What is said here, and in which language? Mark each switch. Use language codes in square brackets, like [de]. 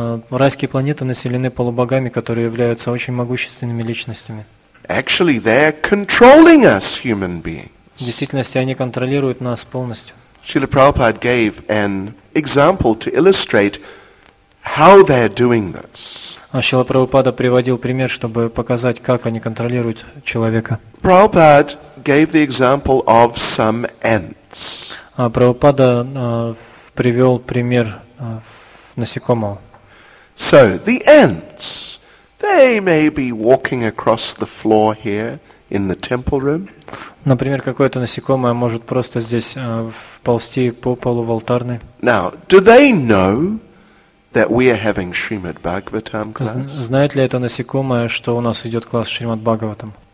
[ru] Райские планеты населены полубогами, которые являются очень могущественными личностями. [en] Actually, they are controlling us, human beings. [ru] В действительности, они контролируют нас полностью. [en] Srila Prabhupada gave an example to illustrate how they are doing this. [ru] Srila Prabhupada приводил пример, чтобы показать, как они контролируют человека. [en] Prabhupada gave the example of some ants. [ru] Prabhupada привел пример насекомого. [en] So the ants, they may be walking across the floor here in the temple room. [ru] Например, какое-то насекомое может просто здесь ползти по полу в алтарной. [en] Now, do they know that we are having Srimad Bhagavatam class? [ru] Знает ли это насекомое, что у нас идет класс Шримад Бхагаватам?